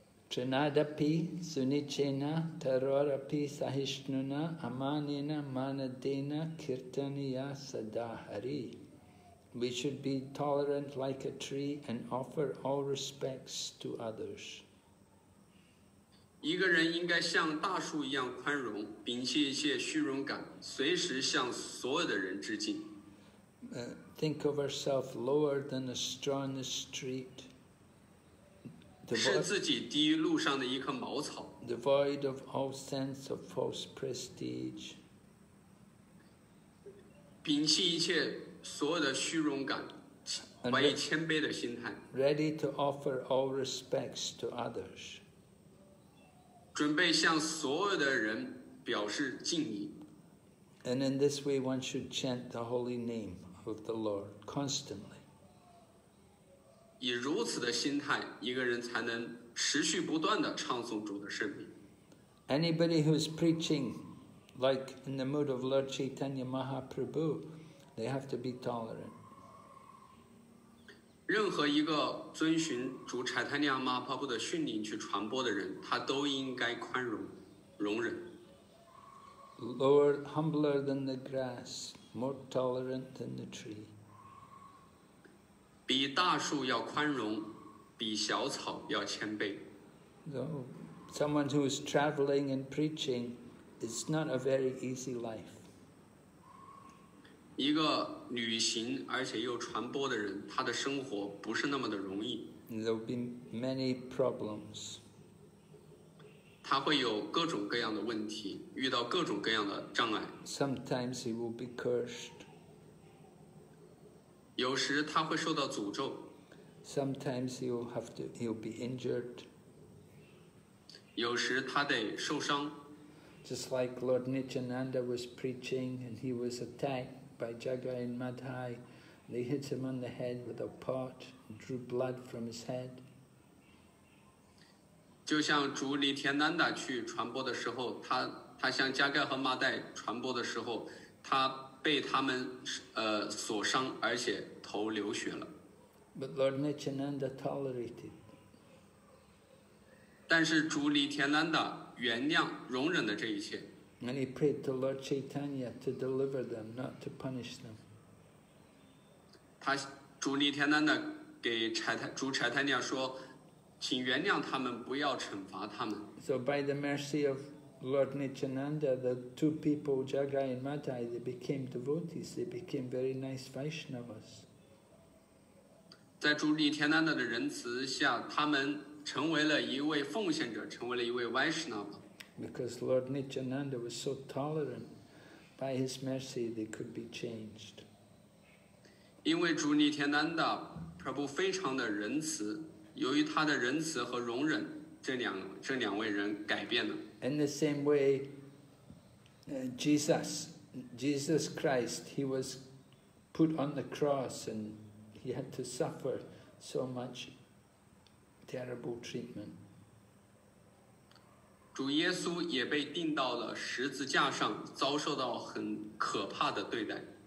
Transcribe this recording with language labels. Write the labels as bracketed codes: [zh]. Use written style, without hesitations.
[sa] Trinadapi sunichena tarorapi sahishnuna amanena manadena kirtaniya sadahari. [en] We should be tolerant like a tree and offer all respects to others. [zh] 一个人应该像大树一样宽容，摒弃一切虚荣感，随时向所有的人致敬。 [en] Think of ourselves lower than a straw in the street. [zh] 是自己低于路上的一棵茅草。 [en] Devoid of all sense of false prestige. [zh] 摒弃一切所有的虚荣感，怀以谦卑的心态。 [en] Ready to offer all respects to others. [zh] 准备向所有的人表示敬意。 [en] And in this way, one should chant the holy name of the Lord constantly. [zh] 以如此的心态，一个人才能持续不断地唱诵主的圣名。 [en] Anybody who is preaching, like in the mood of Lord Chaitanya Mahaprabhu, they have to be tolerant. [zh] 任何一个遵循主 Chaitanya Mahaprabhu 的训令去传播的人，他都应该宽容、容忍。 [en] Lower, humbler than the grass, more tolerant than the tree. [zh] 比大树要宽容，比小草要谦卑。 [en] So, someone who is traveling and preaching is not a very easy life. [zh] 一个旅行而且又传播的人，他的生活不是那么的容易。 [en] There will be many problems. [zh] 他会有各种各样的问题，遇到各种各样的障碍。 [en] Sometimes he will be cursed. [zh] 有时他会受到诅咒。 [en] Sometimes he'll be injured. [zh] 有时他得受伤。 [en] Just like Lord Nityananda was preaching and he was attacked by Jagai and Madhai. They hit him on the head with a pot, drew blood from his head. [zh] 就像主李田南达去传播的时候，他向加盖和马代传播的时候，他被他们所伤，而且头流血了。 [en] But Lord Nityananda tolerated. [zh] 但是主李田南达容忍了这一切。 [en] And he prayed to Lord Chaitanya to deliver them, not to punish them. [zh] 他主尼天丹的给主柴坦尼亚说，请原谅他们，不要惩罚他们。 [en] So by the mercy of Lord Nityananda, the two people, Jagai and Madai, they became devotees. They became very nice Vaishnavas. [zh] 在主尼天丹的仁慈下，他们成为了一位奉献者，成为了一位 Vaishnava。 [en] Because Lord Nityananda was so tolerant, by his mercy they could be changed. [zh] 因为主尼天丹的 Prabhu 非常的仁慈，由于他的仁慈和容忍，这两位人改变了。 [en] In the same way, Jesus Christ, he was put on the cross and he had to suffer so much terrible treatment. [zh] 主耶稣也被钉到了十字架上，遭受到很可怕的对待。